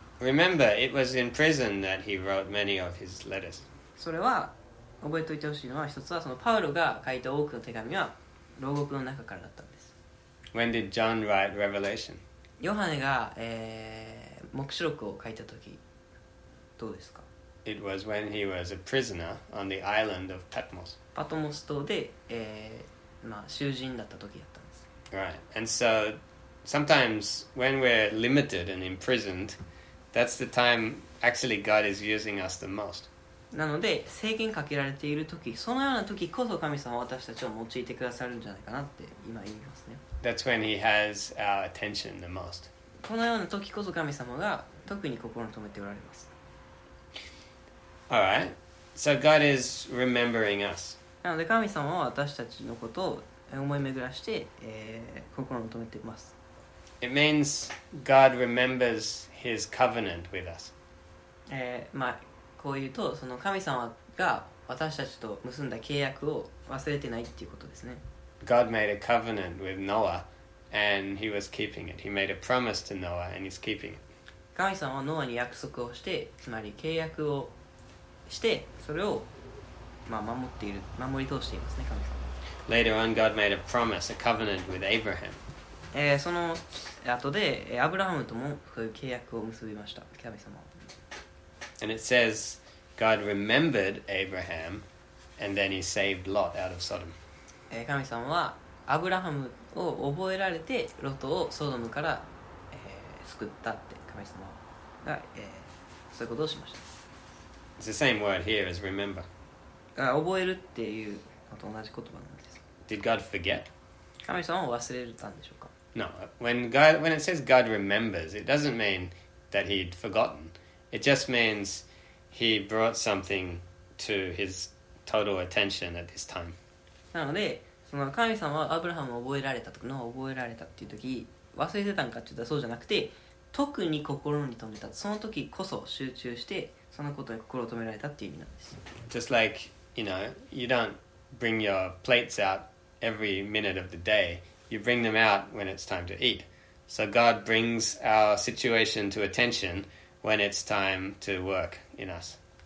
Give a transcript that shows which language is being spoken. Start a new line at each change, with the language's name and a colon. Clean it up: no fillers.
English: Remember, it was in prison that he wrote many of his letters.
Japanese: それは覚えておいてほしいのは一つはそのパウルが書いた多くの手紙は牢獄の中からだったんです。
English: When did John write Revelation?
Japanese: ヨハネが、黙示録を書いた時どうですか?
English: It was when he was a prisoner on the island of Patmos.
Japanese: パトモス島で、まあ、囚人だった時だったんです。
English: Right. And so, sometimes when we're limited and imprisoned, that's the time actually God is using us the most.
Japanese: なので、制限かけられている時、そのような時こそ神様は私たちを用いてくださるんじゃないかなって今言いますね。
English: That's when he has our attention the most.
Japanese: このような時こそ神様が特に心を留めておられます。
English: Alright, so God is remembering us.
Japanese: なので神様は私たちのことを思い巡らして、心を留めています。
English: It means God remembers His covenant with us.
Japanese: まあ、こう言うと、その神様が私たちと結んだ契約を忘れてないっていうことですね。
English: God made a covenant with Noah, and He was keeping it. He made a promise to Noah, and He's keeping it.
Japanese: 神様はノアに約束をして、つまり契約をしてそれを、まあ、守っている守り通していますね神様。
English: Later on, God made a promise, a covenant with Abraham.
Japanese: その後でアブラハムともこういう契約を結びました神様。
English: And it says God remembered Abraham, and then He saved Lot out of Sodom.
Japanese: 神様はアブラハムを覚えられてロトをソドムから、救ったって神様が、そういうことをしました。
English: It's the same word here as remember.
Japanese: 覚えるっていうのと同じ言葉なんです。
English: Did God forget?
Japanese: 神様は忘れたんでしょうか?
English: No. When it says God remembers, it doesn't mean that he'd forgotten. It just means he brought something to his total attention at this time.
Japanese: なので、その神様はアブラハムを覚えられたとか、ノアを覚えられたっていう時、忘れてたんかって言ったらそうじゃなくて、特に心に留めた。その時こそ集中して、そのことに心を止められたっていう意味なんです。
English: Just like, you know, you don't bring your plates out every minute of the day. You bring them out when it's time to eat. So God brings our situation to attention when it's time to work in us.